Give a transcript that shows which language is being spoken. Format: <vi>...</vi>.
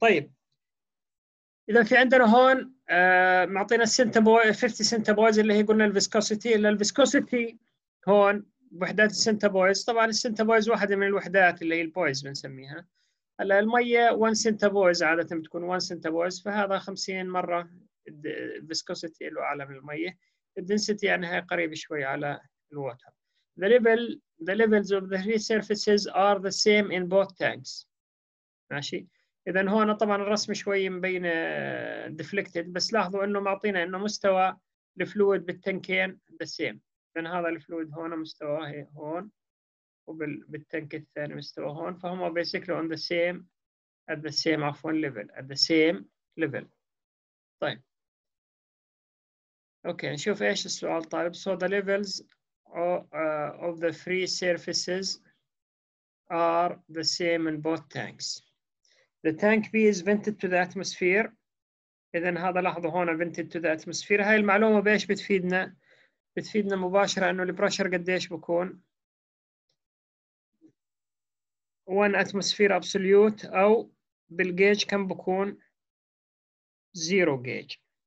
<ar>طيب إذا في عندنا هون معطينا 50 سنتيبويز اللي هي قلنا الفيسكوسيتي، إلا الفيسكوسيتي هون وحدات السنتيبويز، طبعا السنتيبويز واحدة من الوحدات اللي هي البويز بنسميها. هلا المية 1 سنتيبويز عادة بتكون 1 سنتيبويز، فهذا 50 مرة الفيسكوسيتي اللي أعلى من المية. الدنسيتي يعني هي قريب شوي على الواتر.</ar> <en>The levels of the three surfaces are the same in both tanks.</en> <ar>ماشي. إذا هون طبعا الرسم شوي مبين deflected، بس لاحظوا إنه معطينا إنه مستوى الفلويد بالتنكين</ar> <en>the same.</en> <ar>إذا هذا الفلويد هون مستواه هون، وبالتنك الثاني مستوى هون، فهما</ar> <en>basically on the same at the same</en> <ar>عفوا</ar> <en>level at the same level.</en> <ar>طيب. أوكي نشوف إيش السؤال طالب.</ar> <en>So the levels of the three surfaces are the same in both tanks. The tank B is vented to the atmosphere.</en> <ar>إذن هذا لاحظوا هنا</ar> <en>vented to the atmosphere.</en> <ar>هاي المعلومة بإيش بتفيدنا؟ بتفيدنا مباشرة إنه</ar> <en>the pressure</en> <ar>قديش بكون؟</ar> <en>One atmosphere absolute</en> <ar>أو بالجيج كم بكون؟</ar> <en>Zero gauge.</en>